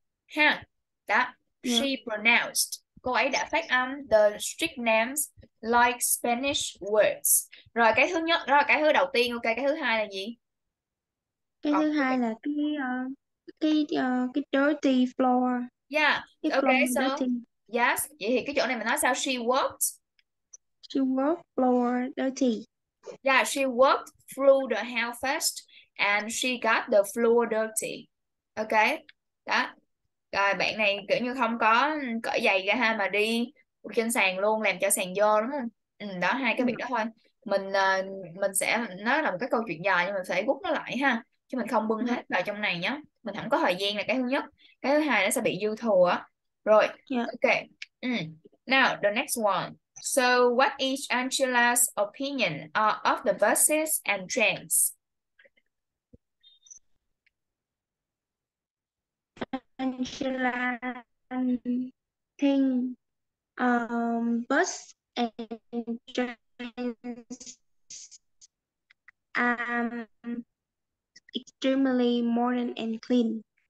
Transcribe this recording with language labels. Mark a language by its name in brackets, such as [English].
[Vietnamese] Ha. Đó. [English] She pronounced. [Vietnamese] Cô ấy đã phát âm [English] the street names like Spanish words. [Vietnamese] Rồi cái thứ nhất, rồi cái thứ đầu tiên, ok, cái thứ hai là gì? Cái thứ hai là cái [English] dirty floor. Yeah. [Vietnamese] Cái [English] okay, floor so dirty. [Vietnamese] Yes, vậy thì cái chỗ này mình nói sao? [English] She walked. She walked floor dirty. Yeah, she walked through the house first and she got the floor dirty. [Vietnamese] Okay, đó. Rồi bạn này kiểu như không có cởi giày ra ha mà đi trên sàn luôn, làm cho sàn dơ đúng không? Ừ, đó hai cái việc đó thôi. Mình sẽ nói là một cái câu chuyện dài nhưng mình sẽ rút nó lại ha. Chứ mình không bưng hết vào trong này nhé. Mình không có thời gian là cái thứ nhất. Cái thứ hai nó sẽ bị dư thừa. [English] Rồi, ok. Now, the next one. So, what is Angela's opinion of the verses and trends? Angela think bus and trains extremely modern and clean.